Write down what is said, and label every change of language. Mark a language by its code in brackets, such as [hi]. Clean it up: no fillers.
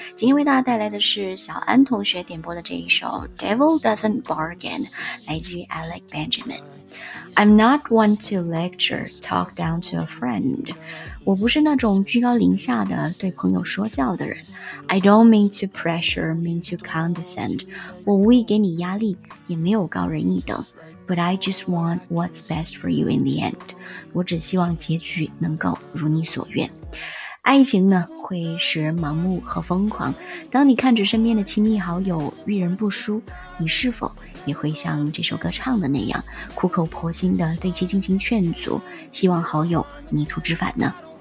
[zh] 今天为大家带来的是小安同学点播的这一首 Devil Doesn't Bargain， 来自于 Alec Benjamin。 [en] I'm not one to lecture, talk down to a friend. [zh] 我不是那种居高临下的对朋友说教的人。 [en] I don't mean to pressure, mean to condescend. [zh] 我无意给你压力，也没有高人一等。 [en] But I just want what's best for you in the end. [zh] 我只希望结局能够如你所愿。爱情呢，会使人盲目和疯狂。当你看着身边的亲密好友遇人不淑，你是否也会像这首歌唱的那样，苦口婆心地对其进行劝阻，希望好友迷途知返呢？